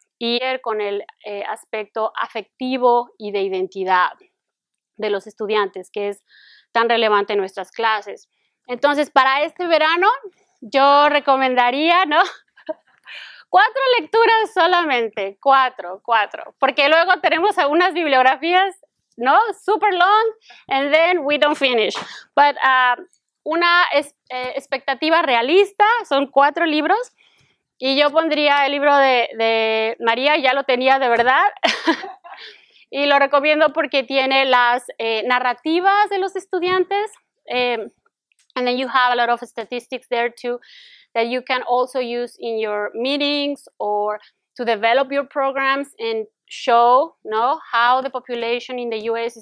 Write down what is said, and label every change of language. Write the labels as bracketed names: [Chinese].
[Spanish] Y con el aspecto afectivo y de identidad de los estudiantes, que es tan relevante en nuestras clases. Entonces, para este verano, yo recomendaría, ¿no? Cuatro lecturas solamente, cuatro. Porque luego tenemos algunas bibliografías, ¿no? [English] Super long, and then we don't finish. [Spanish] But una expectativa realista, son cuatro libros. Y yo pondría el libro de María, ya lo tenía de verdad. Y lo recomiendo porque tiene las narrativas de los estudiantes. [English] And then you have a lot of statistics there too that you can also use in your meetings or to develop your programs and show, ¿no?, how the population in the U.S.